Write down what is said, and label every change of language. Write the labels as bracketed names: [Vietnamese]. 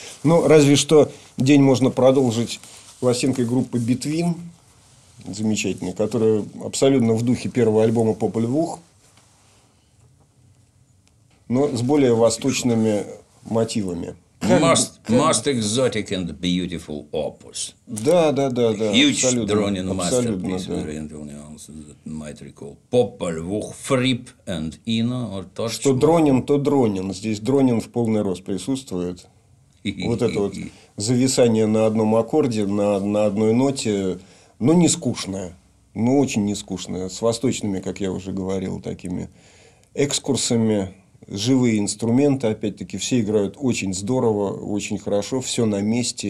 [Russian] Ну, разве что день можно продолжить пластинкой группы Between, замечательной, которая абсолютно в духе первого альбома Поп-Львух, но с более восточными мотивами. [English] Most exotic and beautiful opus. [Russian] Да. [English] Huge droning masterpiece of oriental nuances that might recall Поп-Львух, Фрип and Ино. [Russian] Что дронин, то дронин. Здесь дронин в полный рост присутствует. Вот это вот зависание на одном аккорде, на одной ноте, но не скучное. Но очень не скучное. С восточными, как я уже говорил, такими экскурсами. Живые инструменты, опять-таки, все играют очень здорово, очень хорошо, все на месте.